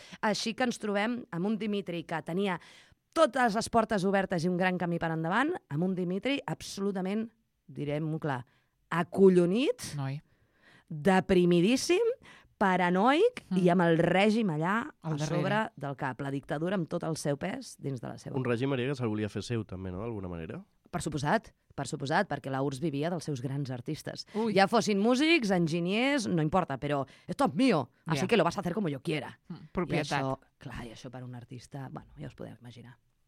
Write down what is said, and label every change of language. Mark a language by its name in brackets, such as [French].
[Catalan] Així que ens trobem amb un Dimitri que tenia totes les portes obertes i un gran camí per endavant, amb un Dimitri absolutament, direm-ho clar, acollonit, noi, deprimidíssim, paranoic i amb el règim allà al sobre del cap. La dictadura amb tot el seu pes dins de la seva. Un règim que se'l volia fer seu també, no?, d'alguna manera. Per suposat, perquè la URSS vivia dels seus grans artistes. Ui. Ja fossin músics, enginyers, no importa, però [Spanish] esto es mío, así que lo vas a hacer como yo quiera. [Catalan] Propietat. I això, clar, i això per un artista, bueno, ja us podeu imaginar.